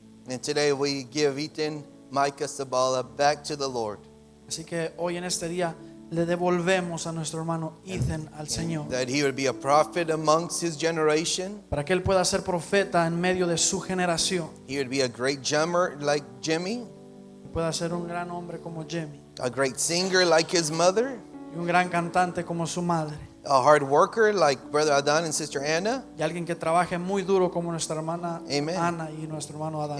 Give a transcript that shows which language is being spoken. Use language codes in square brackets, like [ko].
[en] And today we give Ethan Micah Sabala back to the Lord. [es] Así que hoy en este día le devolvemos a nuestro hermano Ethan al Señor. [en] That he would be a prophet amongst his generation. [es] Para que él pueda ser profeta en medio de su generación. [en] He would be a great drummer like Jimmy. [es] Pueda ser un gran hombre como Jimmy. [en] A great singer like his mother. [es] y un gran cantante como su madre. [en] A hard worker like Brother Adán and Sister Anna. [es] Y alguien que trabaje muy duro como nuestra hermana Ana y nuestro hermano Adán.